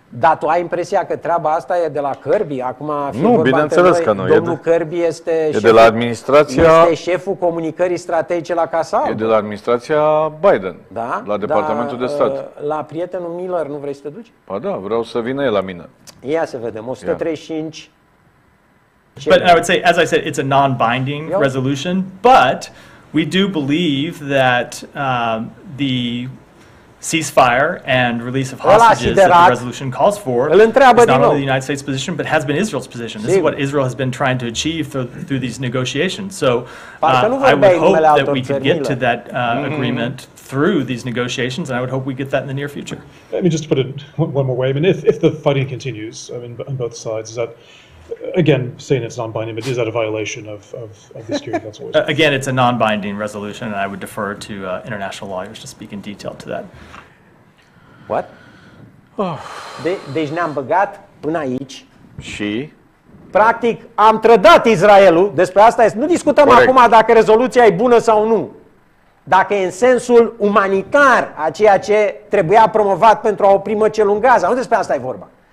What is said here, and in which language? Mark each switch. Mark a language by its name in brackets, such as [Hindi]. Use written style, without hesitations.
[Romanian] Dar tu ai impresia că treaba asta e de la Kirby? Acum, nu, bineînțeles că nu. Domnul Kirby este șeful, de la administrația, este șeful comunicării strategice la Casal. E de la administrația Biden, da? La Departamentul de Stat. La prietenul Miller nu vrei să te duci? Ba da, vreau să vină el la mine. Ia să vedem, 135... [English] Ce but I would say, as I said, it's a non-binding resolution, but we do believe that the ceasefire and release of hostages that the resolution calls for is not only the United States position, but has been Israel's position. This is what Israel has been trying to achieve through these negotiations. So I would hope that we could get to that agreement through these negotiations, and I would hope we get that in the near future. Let me just put it one more way. I mean, if the fighting continues, I mean, on both sides, is that, again, saying it's non-binding, but is that a violation of the Security Council? Again, it's a non-binding resolution, and I would defer to international lawyers to speak in detail to that. What? [Romanian] Deci ne-am băgat până aici. Și? Practic, am trădat Israelul. Despre asta este. Nu discutăm acum dacă rezoluția e bună sau nu. Dacă e în sensul umanitar a ceea ce trebuia promovat pentru a opri măcelul în Gaza. Nu despre asta e vorba.